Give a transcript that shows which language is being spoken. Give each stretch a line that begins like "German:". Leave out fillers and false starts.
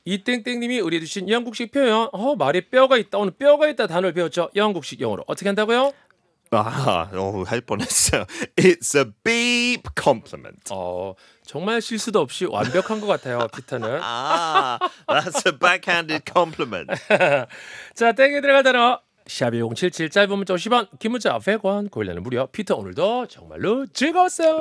Korean: 이땡땡님이 우리에게 주신 영국식 표현. 어, 말에 뼈가 있다. 오늘 뼈가 있다 단어를 배웠죠. 영국식 영어로 어떻게 한다고요? 아, 오, 할 뻔했어요.
English: It's a beep compliment.
Korean: 어, 정말 실수도 없이 완벽한 것 같아요, 피터는.
English: 아, that's a backhanded compliment.
Korean: 자, 땡이 들어갈 단어. 샵1077 짧은 문자 50원 긴 문자 100원 고일라는 무료 피터 오늘도 정말로 즐거웠어요.